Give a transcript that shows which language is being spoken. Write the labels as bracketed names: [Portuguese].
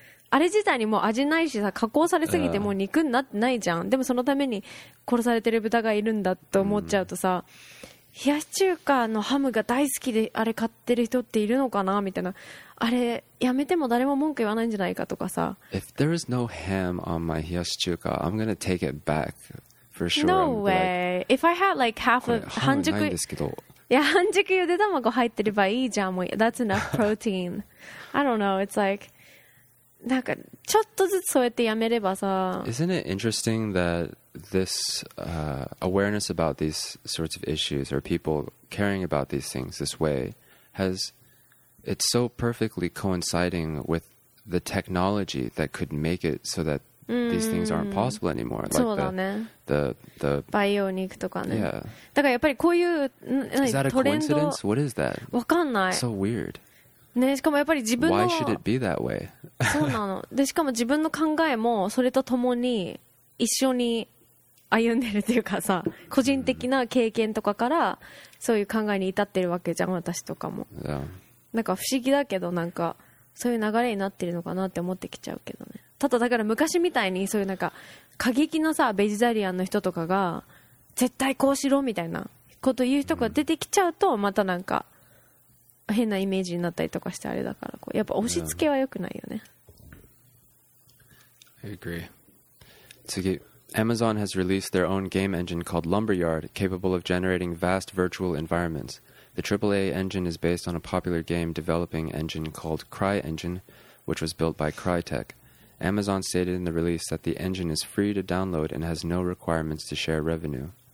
[Japanese] あれ自体にもう味ないしさ、加工されすぎてもう肉になってないじゃん。でもそのために殺されてる豚がいるんだと思っちゃうとさ、冷やし中華のハムが大好きであれ買ってる人っているのかなみたいな。あれやめても誰も文句言わないんじゃないかとかさ。 [English] If there is no ham on my 冷やし中華, I'm gonna take it back. For sure, no way. Like, if I had like half of 半熟 [Japanese] ですけど、いや半熟ゆで卵入ってればいいじゃん。もう [English] That's enough protein. I don't know. It's like [Japanese] なんかちょっとずつそうやってやめればさ。 [English] Isn't it interesting that this awareness about these sorts of issues or people caring about these things this way has it's so perfectly coinciding with the technology that could make it so that. These things aren't possible anymore. Like [Japanese] そうだね。 [English] The [Japanese] 培養肉とかね。 [English] Yeah. [Japanese] だからやっぱりこういう [English] トレンド。Is that a coincidence? What is that? [Japanese] わかんない。 [English] So weird. [Japanese] ね、しかもやっぱり自分の。 [English] Why should it be that way? [Japanese] そうなの。で、しかも自分の考えもそれとともに一緒に歩んでるというかさ、個人的な経験とかからそういう考えに至ってるわけじゃん、私とかも。 [English] Yeah. [Japanese] なんか不思議だけど、なんかそういう流れになってるのかなって思ってきちゃうけどね。ただだから昔みたいにそういうなんか過激のさベジタリアンの人とかが絶対こうしろみたいなこと言う人が出てきちゃうとまたなんか変なイメージになったりとかしてあれだからこうやっぱ押し付けは良くないよね、 [English] yeah. I agree [Japanese] 次 [English] Amazon has released their own game engine called Lumberyard capable of generating vast virtual environments The AAA engine is based on a popular game developing engine called CryEngine which was built by Crytek Amazon stated in the release that the engine is free to download and has no requirements to share revenue.